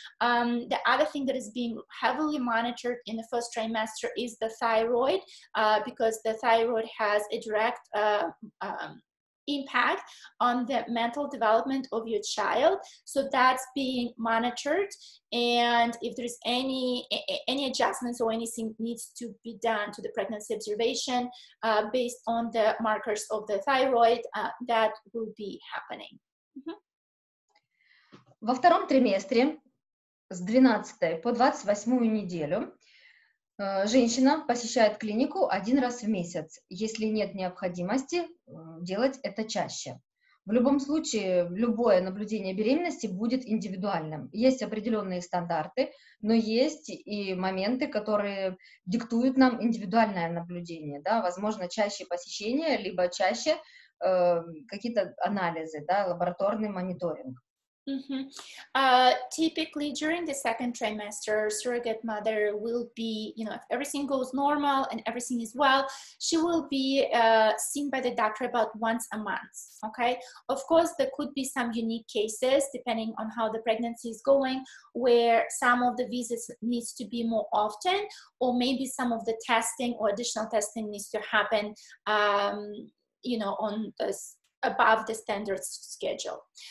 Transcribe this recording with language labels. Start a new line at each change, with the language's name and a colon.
English: The other thing that is being heavily monitored in the first trimester is the thyroid, because the thyroid has a direct impact on the mental development of your child. So that's being monitored. And if there's any adjustments or anything needs to be done to the pregnancy observation based on the markers of the thyroid, that will be happening.
Russian: Во втором триместре с 12 по 28 неделю женщина посещает клинику один раз в месяц, если нет необходимости делать это чаще. В любом случае, любое наблюдение беременности будет индивидуальным. Есть определенные стандарты, но есть и моменты, которые диктуют нам индивидуальное наблюдение. Да? Возможно, чаще посещение, либо чаще какие-то анализы, да, лабораторный мониторинг.
English: Typically during the second trimester, surrogate mother will be, you know, if everything goes normal and everything is well, she will be seen by the doctor about once a month. Okay. Of course, there could be some unique cases depending on how the pregnancy is going, where some of the visits needs to be more often, or maybe some of the testing or additional testing needs to happen, you know, on this above the standard schedule.